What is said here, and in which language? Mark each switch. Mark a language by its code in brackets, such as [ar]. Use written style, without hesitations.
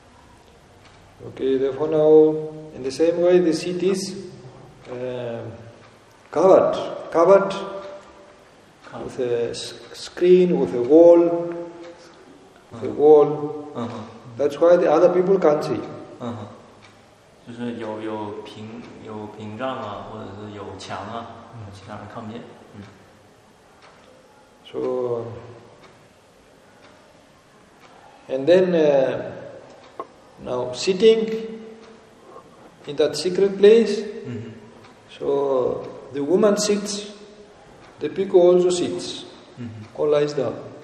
[en] Okay, therefore now in the same way the cities. Covered with a screen, with a wall, That's why the other people can't see. [zh] 就是有屏障啊，或者是有墙啊，其他人看不见。 [en] So, and then now sitting in that secret place, so. The woman sits, the bhikkhu also sits, or lies down.